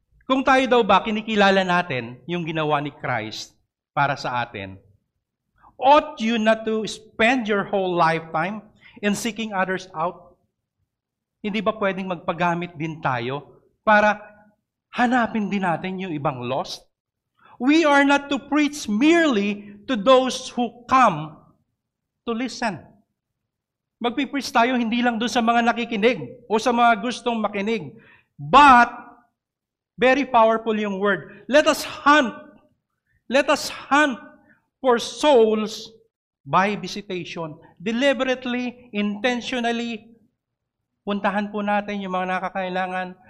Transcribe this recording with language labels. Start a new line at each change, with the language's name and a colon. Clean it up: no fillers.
Filipino: Kung tayo daw ba, kinikilala natin yung ginawa ni Christ para sa atin,
English: ought you not to spend your whole lifetime in seeking others out?
Filipino: Hindi ba pwedeng magpagamit din tayo para hanapin din natin yung ibang lost?
English: We are not to preach merely to those who come to listen.
Filipino: Magpipreach tayo hindi lang doon sa mga nakikinig o sa mga gustong makinig.
English: But, very powerful yung word. Let us hunt. Let us hunt for souls by visitation. Deliberately, intentionally,
Filipino: puntahan po natin yung mga nakakailangan.